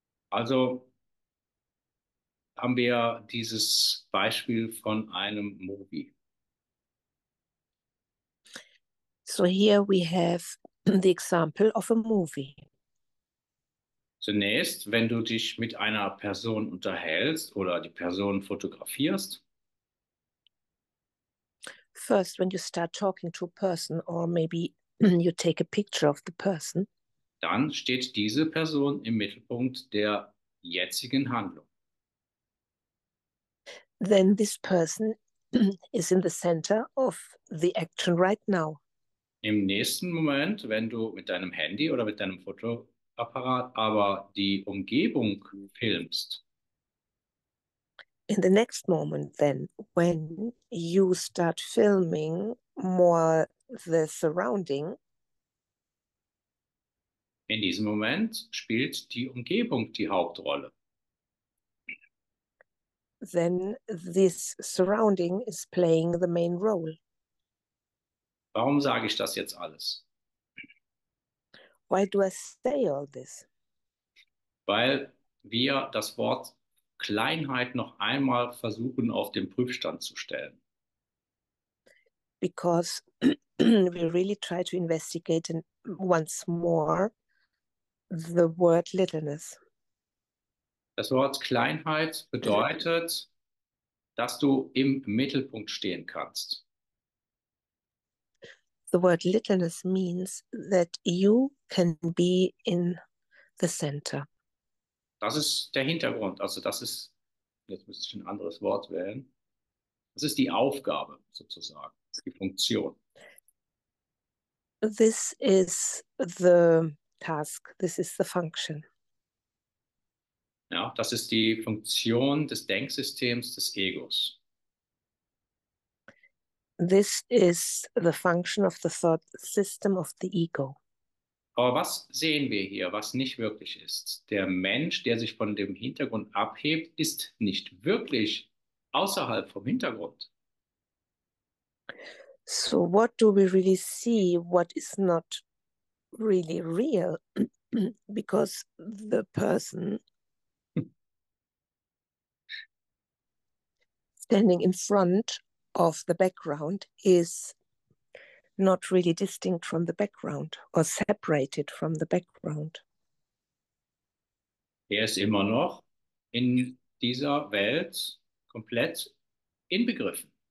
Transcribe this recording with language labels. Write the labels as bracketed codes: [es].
[de] Also haben wir dieses Beispiel von einem Movie. [en] So here we have the example of a movie. [de] Zunächst, wenn du dich mit einer Person unterhältst oder die Person fotografierst, [en] first, when you start talking to a person or maybe you take a picture of the person, [de] dann steht diese Person im Mittelpunkt der jetzigen Handlung. [en] Then this person is in the center of the action right now. [de] Im nächsten Moment, wenn du mit deinem Handy oder mit deinem Fotoapparat aber die Umgebung filmst. [en] In the next moment then, when you start filming more the surrounding. [de] In diesem Moment spielt die Umgebung die Hauptrolle. [en] then this surrounding is playing the main role. [de] Warum sage ich das jetzt alles? [en] Why do I say all this? [de] Weil wir das Wort Kleinheit noch einmal versuchen auf den Prüfstand zu stellen. [en] Because we really try to investigate once more the word littleness. [de] Das Wort Kleinheit bedeutet, dass du im Mittelpunkt stehen kannst. [en] The word littleness means that you can be in the center. [de] Das ist der Hintergrund. Also das ist, jetzt müsste ich ein anderes Wort wählen. Das ist die Aufgabe sozusagen, die Funktion. [en] This is the task. This is the function. [de] Ja, das ist die Funktion des Denksystems des Egos. [en] This is the function of the thought system of the ego. [de] Aber was sehen wir hier, was nicht wirklich ist? Der Mensch, der sich von dem Hintergrund abhebt, ist nicht wirklich außerhalb vom Hintergrund. [en] So what do we really see? What is not really real? Because the person standing in front of the background is not really distinct from the background or separated from the background. [de] Ist immer noch in dieser Welt komplett inbegriffen.